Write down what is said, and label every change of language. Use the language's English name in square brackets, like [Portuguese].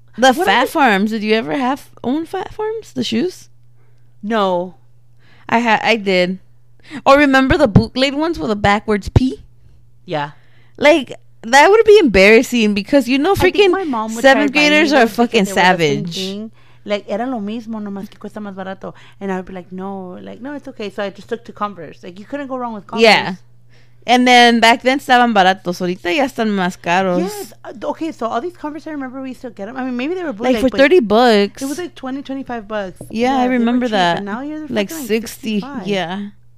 [English] The Fat Farms. Did you ever have own Fat Farms? The shoes? No. I did. Or remember the bootleg ones with a backwards P? Yeah. Like, that would be embarrassing because, you know, freaking seventh graders are fucking savage. [Spanish] Like, era lo mismo, nomás que cuesta más barato. [English] And I would be like, no, it's okay. So I just took to Converse. Like, you couldn't go wrong with Converse. Yeah. And then back then, [Spanish] estaban baratos. Ahorita ya están más caros. [English] Yes. Okay, so all these Converse, I remember we used to get them. I mean, maybe they were like for 30 bucks. It was like 20, 25 bucks. Yeah, yeah, I remember cheap, that. Now you're like 60. 65. Yeah.